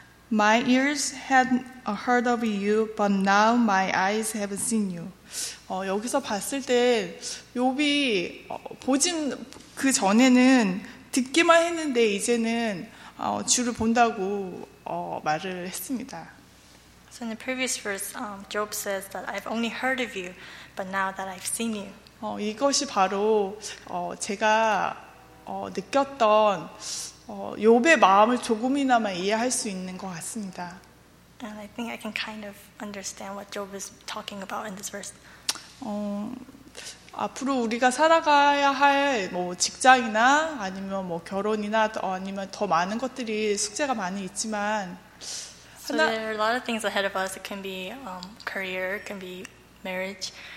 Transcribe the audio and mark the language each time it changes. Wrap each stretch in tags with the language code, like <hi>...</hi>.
<en>My ears had heard of you, but now my eyes have seen you.</en> <ko>여기서 봤을 때 욥이 보진 그 전에는 듣기만 했는데 이제는 주를 본다고 말을 했습니다.</ko> <en>So in the previous verse, Job says that I've only heard of you, but now that I've seen you.</en> <ko>이것이 바로 제가 느꼈던 욥의 마음을 조금이나마 이해할 수 있는 것 같습니다.</ko> <en>And I think I can kind of understand what Job is talking about in this verse.</en> <ko>앞으로 우리가 살아가야 할 뭐 직장이나 아니면 뭐 결혼이나 아니면 더 많은 것들이 숙제가 많이 있지만.</ko> <en>So there are a lot of things ahead of us. It can be career, it can be marriage.</en>